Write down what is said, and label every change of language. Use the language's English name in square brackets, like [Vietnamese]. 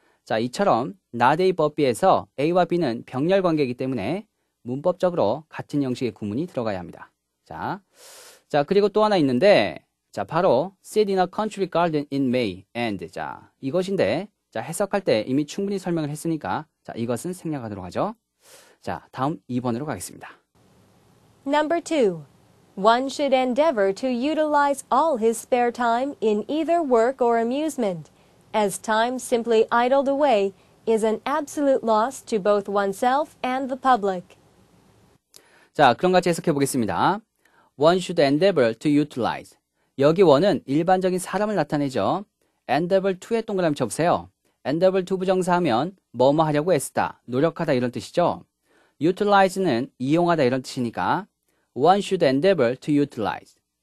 [Korean] 자, 이처럼 not A but B에서 A와 B는 병렬 관계이기 때문에 문법적으로 같은 형식의 구문이 들어가야 합니다. 자, 자, 그리고 또 하나 있는데, 자, 바로 [English] sit in a country garden in May and [Korean] 자, 이것인데, 자, 해석할 때 이미 충분히 설명을 했으니까, 자, 이것은 생략하도록 하죠. 자, 다음 2번으로 가겠습니다. [English] Number 2. One should endeavor to utilize all his spare time in either work or amusement, as time simply idled away is an absolute loss to both oneself and the public. [Korean] 자, 그럼 같이 해석해 보겠습니다. [English] One should endeavor to utilize. [Korean] 여기 one은 일반적인 사람을 나타내죠. [English] Endeavor to [Korean] 의 동그라미 쳐보세요. Endeavor to 부정사하면 뭐뭐 하려고 애쓰다, 노력하다 이런 뜻이죠. Utilize는 이용하다 이런 뜻이니까 [English] One should endeavor to utilize.